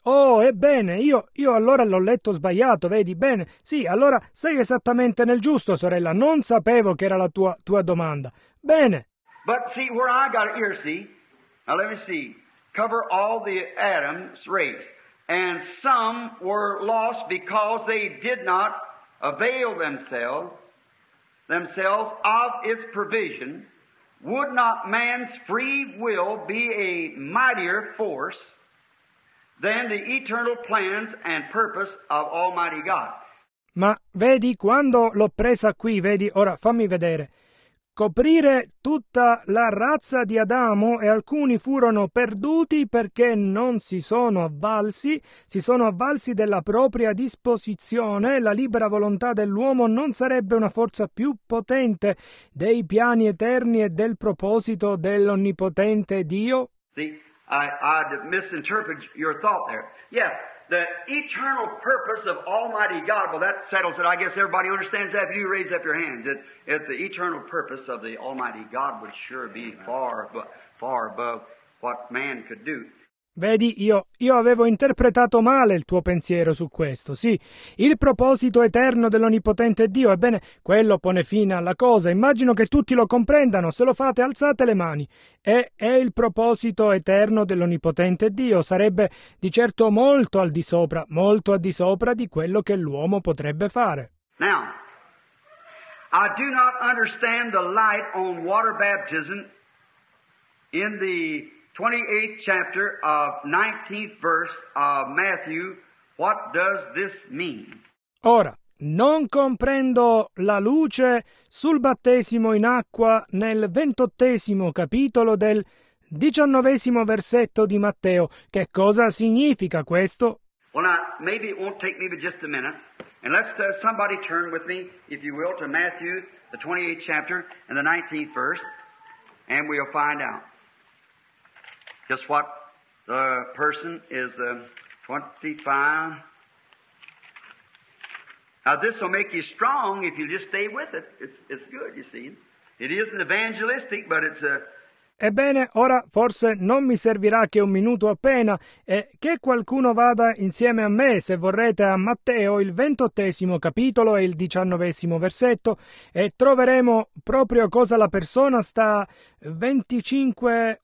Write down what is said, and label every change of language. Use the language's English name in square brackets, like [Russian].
[Italian] Oh, ebbene, io allora l'ho letto sbagliato, vedi? Bene. Sì, allora sei esattamente nel giusto, sorella. Non sapevo che era la tua domanda. Bene. [English] But see, where I got it here, see? Now let me see. Cover all the Adam's race. And some were lost because they did not avail themselves of its provision. Would not man's free will be a mightier force than the eternal plans and purpose of Almighty God? [Italian] Ma vedi, quando l'ho presa qui, vedi, ora fammi vedere. Coprire tutta la razza di Adamo, e alcuni furono perduti perché non si sono avvalsi della propria disposizione, la libera volontà dell'uomo non sarebbe una forza più potente dei piani eterni e del proposito dell'onnipotente Dio? [English] Sì, I misinterpreted your thought there. Yes, the eternal purpose of Almighty God, well, that settles it. I guess everybody understands that. If you raise up your hands, if the eternal purpose of the Almighty God would sure be far above what man could do. [Italian] Vedi, io avevo interpretato male il tuo pensiero su questo. Sì, il proposito eterno dell'onnipotente Dio, ebbene, quello pone fine alla cosa. Immagino che tutti lo comprendano. Se lo fate, alzate le mani. È il proposito eterno dell'onnipotente Dio. Sarebbe di certo molto al di sopra di quello che l'uomo potrebbe fare. [English] Now, I do not understand the light on water baptism in the 28th chapter of 19th verse of Matthew. What does this mean? [Italian] Ora, Non comprendo la luce sul battesimo in acqua nel 28 capitolo del 19 versetto di Matteo. Che cosa significa questo? [English] Well, now, maybe it won't take me but just a minute. And let's somebody turn with me, if you will, to Matthew, the 28th chapter and the 19th verse, and we'll find out just what the person is 25. Now, this will make you strong if you just stay with it. It's good, you see. It isn't evangelistic, but it's a... [Italian] Ebbene, ora forse non mi servirà che un minuto appena, e che qualcuno vada insieme a me, se vorrete, a Matteo, il 28 capitolo e il 19 versetto, e troveremo proprio cosa la persona sta 25.